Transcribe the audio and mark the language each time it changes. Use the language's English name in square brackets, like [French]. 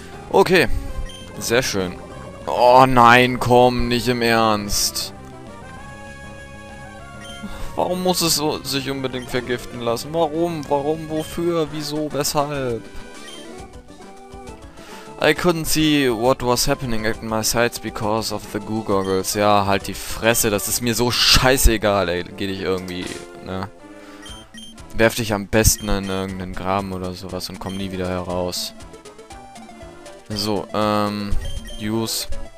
[German] Okay. Sehr schön. Oh nein, komm, nicht im Ernst. Warum muss es so, sich unbedingt vergiften lassen? Warum? Warum? Wofür? Wieso? Weshalb? [English] I couldn't see what was happening at my sights because of the goo goggles. [German] Ja, halt die Fresse, das ist mir so scheißegal, ey. Geh dich irgendwie, ne? Werf dich am besten in irgendeinen Graben oder sowas und komm nie wieder heraus. [English] So, use.